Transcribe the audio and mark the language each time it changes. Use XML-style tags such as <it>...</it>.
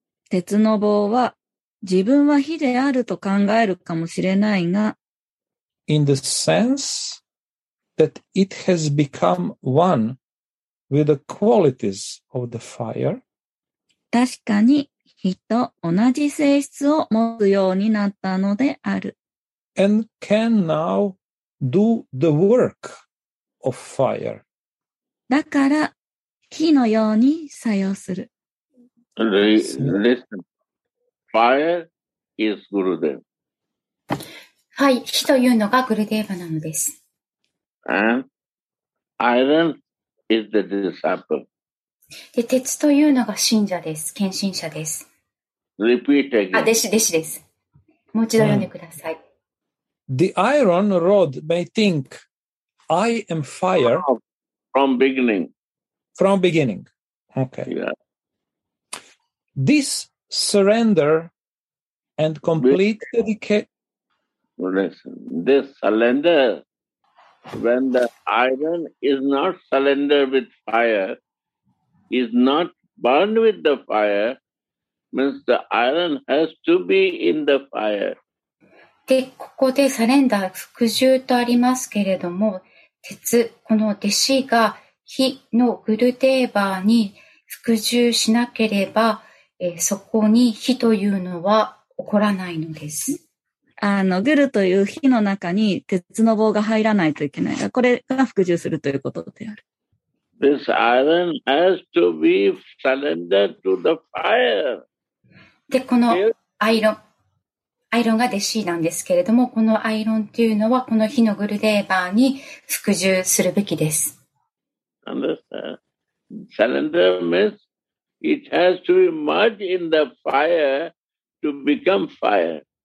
<ja>鉄の棒は自分は火であると考えるかもしれないが</ja> <en>In the sense that it has become one with the qualities of the fire.</en> <ja>確かに火と同じ性質を持つようになったのである。</ja> <en>And can now do the work of fire.</en> <ja>だから火のように作用する。</ja> <en>Listen, fire is Gurudev.</en> <ja>はい、火というのがグルデーヴァなのです。</ja> <en>And iron is the disciple.</en> <ja>で、鉄というのが信者です、献身者です。</ja> <en>Repeat again.</en> <ja>あ、弟子です。もう一度読んでください。 Mm.</ja> <en>The iron rod may think, I am fire. From beginning. Okay. Yeah. This surrender and complete dedication. Listen, this surrender, when the iron is not surrendered with fire, is not burned with the fire, means the iron has to be in the fire.</en> <ja>でここでサレンダー服従とありますけれども鉄この弟子が火のグルデーバーに服従しなければそこに火というのは起こらないのですあのグルという火の中に鉄の棒が入らないといけないこれが服従するということである</ja> <en>This iron has to be surrendered to the fire</en> <ja>でこのアイロンが弟子なんですけれども、このアイロンというのは、この火のグルデーバーに服従するべきです。</ja> <en>Surrender means it has to be merged in the fire to become fire.</en>